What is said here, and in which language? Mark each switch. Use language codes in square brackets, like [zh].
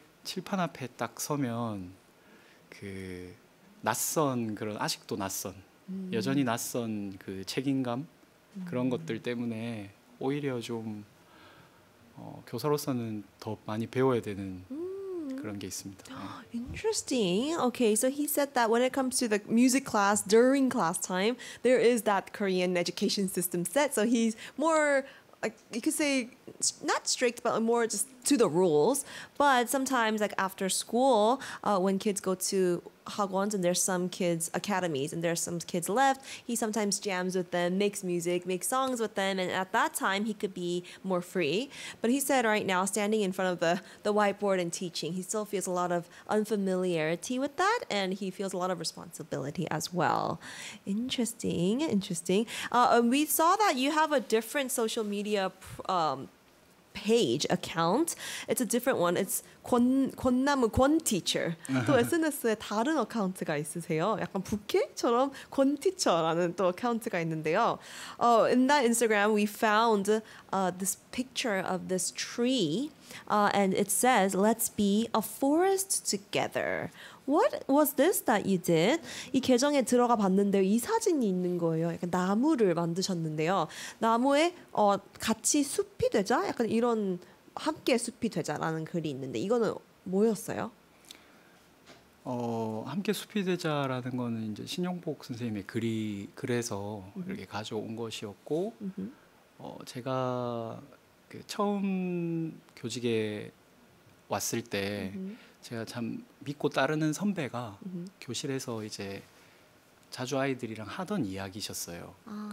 [ko] 칠판 앞에 딱 서면 그 낯선 그런 아직도 낯선 여전히 낯선 그 책임감 그런 것들 때문에 오히려 좀 교사로서는 더 많이 배워야 되는 그런 게 있습니다. [en] Interesting. Okay, so he said that when it comes to the music class during class time, there is that Korean education system set. So he's more, like, you could say, not strict, but more just to the rules. But sometimes, like after school, when kids go to Hagwons and there's some kids' academies and there's some kids left, he sometimes jams with them, makes music, makes songs with them, and at that time, he could be more free. But he said right now, standing in front of the whiteboard and teaching, he still feels a lot of unfamiliarity with that, and he feels a lot of responsibility as well. Interesting, interesting. We saw that you have a different social media page account. It's a different one. It's 권나무 권 teacher. [ko] 또 SNS에 다른 어카운트가 있으세요. 약간 부캐처럼 권 teacher라는 또 어카운트가 있는데요. [en] Oh, in that Instagram, we found this picture of this tree, and it says, "Let's be a forest together." What was this that you did? [ko] 이 계정에 들어가 봤는데 이 사진이 있는 거예요. 약간 나무를 만드셨는데요. 나무에 같이 숲이 되자? 약간 이런 함께 숲이 되자라는 글이 있는데 이거는 뭐였어요? 함께 숲이 되자라는 거는 이제 신용복 선생님의 글이 그래서 이렇게 가져온 것이었고 제가 그 처음 교직에 왔을 때 제가 참 믿고 따르는 선배가 교실에서 이제 자주 아이들이랑 하던 이야기셨어요. 아.